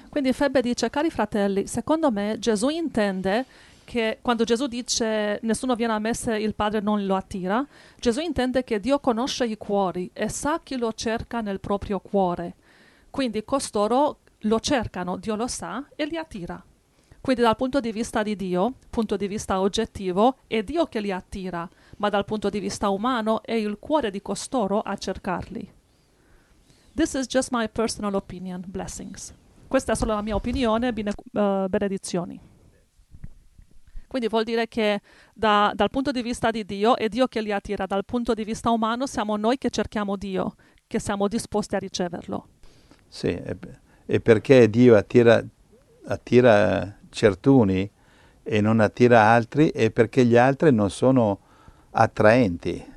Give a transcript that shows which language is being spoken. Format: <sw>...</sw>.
<it>Quindi Febbe dice, cari fratelli, secondo me Gesù intende che quando Gesù dice nessuno viene a me se il Padre non lo attira, Gesù intende che Dio conosce i cuori e sa chi lo cerca nel proprio cuore. Quindi costoro lo cercano, Dio lo sa e li attira. Quindi dal punto di vista di Dio, punto di vista oggettivo, è Dio che li attira, ma dal punto di vista umano è il cuore di costoro a cercarli.</it> <en>This is just my personal opinion. Blessings.</en> <it>Questa è solo la mia opinione. Benedizioni. Quindi vuol dire che dal punto di vista di Dio è Dio che li attira. Dal punto di vista umano siamo noi che cerchiamo Dio, che siamo disposti a riceverlo. Sì, e perché Dio attira certuni e non attira altri è perché gli altri non sono attraenti,</it>